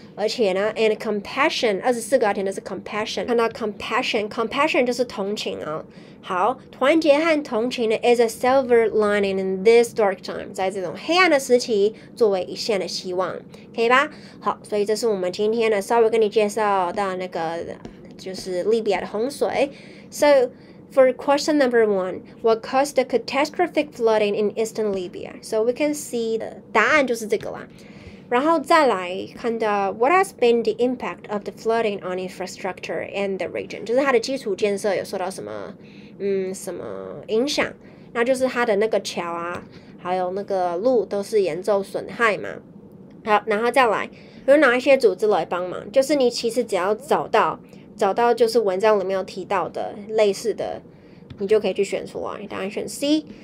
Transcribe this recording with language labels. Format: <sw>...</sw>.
<zh>而且呢，</zh> <en>and compassion，</en> <zh>24个要填的是 compassion，看到 compassion 就是同情啊、哦。好，团结和同情呢，</zh> <en>is a silver lining in this dark time，</en> <zh>在这种黑暗的时期，作为一线的希望，可以吧？好，所以这是我们今天呢，稍微跟你介绍到那个就是利比亚的洪水。</zh> <en>So for question number one, what caused the catastrophic flooding in eastern Libya? So we can see</en> <zh>的答案就是这个啦。然后再来看到</zh> <en>what has been the impact of the flooding on infrastructure in the region？</en> <zh>就是它的基础建设有受到什么，什么影响？那就是它的那个桥啊，还有那个路都是严重损害嘛。好，然后再来有哪一些组织来帮忙？就是你其实只要找到就是文章里面有提到的类似的，你就可以去选出来。答案选 C。</zh>